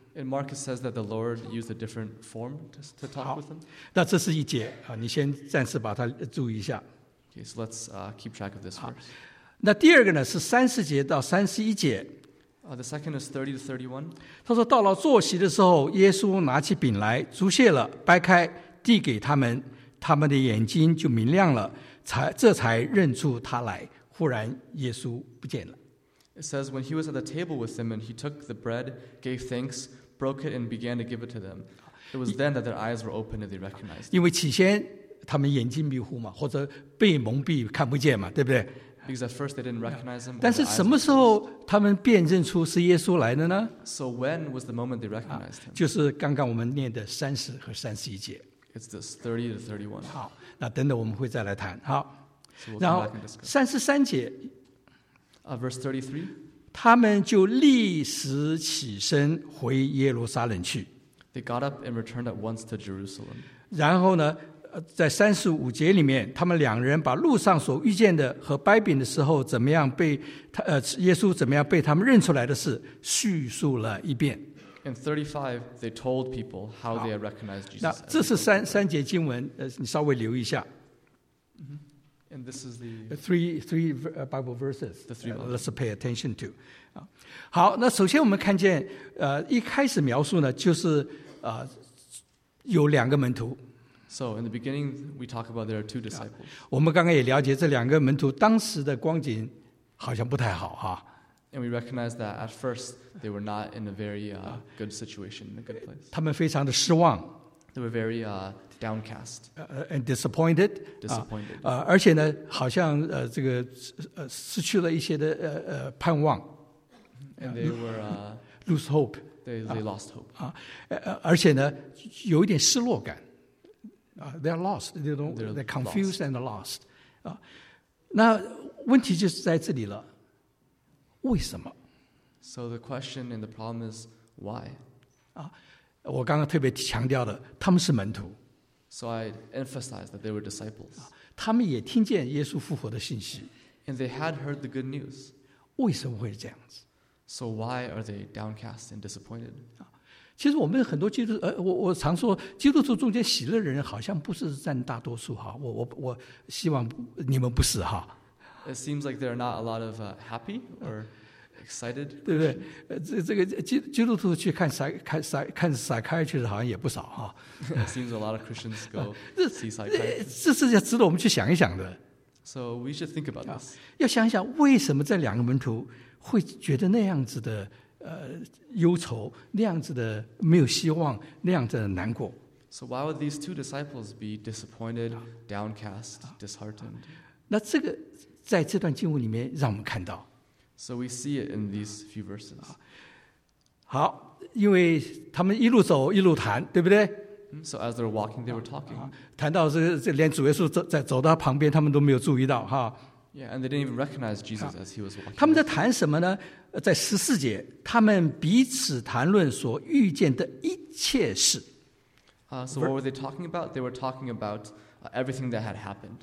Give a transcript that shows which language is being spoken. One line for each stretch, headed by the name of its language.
English: In Mark, it says that the Lord used a different form to talk with them.
Chinese: 那这是一节你先暂时把它注意一下。
English: Okay, so let's keep track of this verse.
Chinese: 那第二个呢是三十节到三十一节。
English: The second is 30 to 31.
Chinese: 他说到了坐席的时候，耶稣拿起饼来，祝谢了，掰开，递给他们，他们的眼睛就明亮了，这才认出他来。忽然，耶稣不见了。
English: It says when he was at the table with them, and he took the bread, gave thanks, broke it, and began to give it to them. It was then that their eyes were opened and they recognized.
Chinese: 因为起先他们眼睛迷糊嘛，或者被蒙蔽看不见嘛，对不对？
English: Because at first they didn't recognize him.
Chinese: 但是什么时候他们辨认出是耶稣来的呢？
English: So when was the moment they recognized him?
Chinese: 就是刚刚我们念的三十和三十一节。
English: It's this 30 to 31.
Chinese: 好，那等等我们会再来谈。好，
English: so we'll come back and discuss.
Chinese: 然后三十三节。
English: Verse 33.
Chinese: 他们就立时起身回耶路撒冷去。
English: They got up and returned at once to Jerusalem.
Chinese: 然后呢，在三十五节里面，他们两人把路上所遇见的和掰饼的时候怎么样被他耶稣怎么样被他们认出来的事叙述了一遍。
English: In 35, they told people how they had recognized Jesus.
Chinese: 那这是三节经文，你稍微留一下。
English: And this is the three Bible verses. The three Bible. Let's pay attention to.
Chinese: 好，那首先我们看见，一开始描述呢，就是有两个门徒。
English: So in the beginning, we talk about there are two disciples.
Chinese: 我们刚刚也了解这两个门徒当时的光景好像不太好哈。
English: And we recognize that at first they were not in a very good situation, in a good place.
Chinese: 他们非常的失望。
English: They were very downcast. And disappointed. Disappointed.
Chinese: 而且呢，好像这个失去了一些的盼望。
English: And they were lose hope. They lost hope.
Chinese: 而且呢，有一点失落感。
English: They are lost. They're confused and lost.
Chinese: 那问题就是在这里了。为什么？
English: So the question and the problem is why?
Chinese: 我刚刚特别强调的，他们是门徒。
English: So I emphasized that they were disciples.
Chinese: 他们也听见耶稣复活的信息。
English: And they had heard the good news.
Chinese: 为什么会这样子？
English: So why are they downcast and disappointed?
Chinese: 其实我们很多基督徒，我常说基督徒中间喜乐的人好像不是占大多数哈。我希望你们不是哈。
English: It seems like there are not a lot of happy or excited.
Chinese: 对不对？这个基督徒去看 psychiatrist 好像也不少哈。
English: It seems a lot of Christians go see psychiatrist.
Chinese: 这是值得我们去想一想的。
English: So we should think about this.
Chinese: 要想一想为什么这两个门徒会觉得那样子的。忧愁那样子的没有希望那样子的难过。
English: So why would these two disciples be disappointed, downcast, disheartened?
Chinese: 那这个在这段经文里面让我们看到。
English: So we see it in these few verses.
Chinese: 好，因为他们一路走一路谈，对不对？
English: So as they were walking, they were talking.
Chinese: 谈到这连主耶稣在走到旁边，他们都没有注意到哈。
English: Yeah, and they didn't even recognize Jesus as he was walking.
Chinese: 他们在谈什么呢？在十四节，他们彼此谈论所遇见的一切事。
English: So what were they talking about? They were talking about everything that had happened.